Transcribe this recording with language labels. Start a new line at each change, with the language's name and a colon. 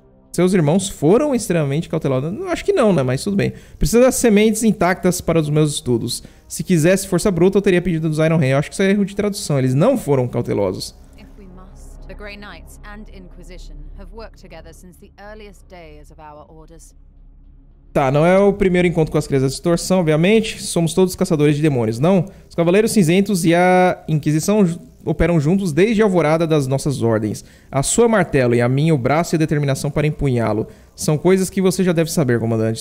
Portuguese: Seus irmãos foram extremamente cautelosos, não, acho que não, né, mas tudo bem. Preciso das sementes intactas para os meus estudos. Se quisesse força bruta, eu teria pedido dos Iron Hand. Eu acho que isso é erro de tradução, eles não foram cautelosos.
English: The Grey Knights and Inquisition have worked together since the earliest days of our orders.
Portuguese: Tá, não é o primeiro encontro com as Crianças da Distorção, obviamente. Somos todos caçadores de demônios, não? Os Cavaleiros Cinzentos e a Inquisição operam juntos desde a alvorada das nossas ordens. A sua martelo e a minha o braço e a determinação para empunhá-lo. São coisas que você já deve saber, comandante.